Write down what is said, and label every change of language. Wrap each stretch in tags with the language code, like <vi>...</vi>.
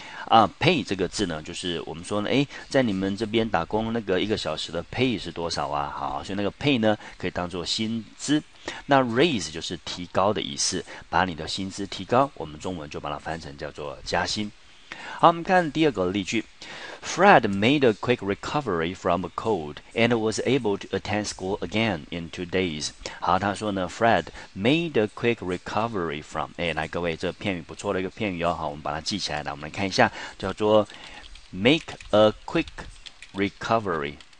<zh>啊 ，pay 这个字呢，就是我们说呢，哎，在你们这边打工那个一个小时的 pay 是多少啊？好，所以那个 pay 呢，可以当作薪资。那 raise 就是提高的意思，把你的薪资提高，我们中文就把它翻成叫做加薪。好，我们看第二个例句。</zh> <en>Fred made a quick recovery from a cold and was able to attend school again in 2 days.</en> <zh>好，他说呢</zh> <en>，Fred made a quick recovery from.</en> <zh>哎，来各位，这片语不错的一个片语哦。好，我们把它记起来。来，我们来看一下，叫做</zh> <en>make a quick recovery。</en>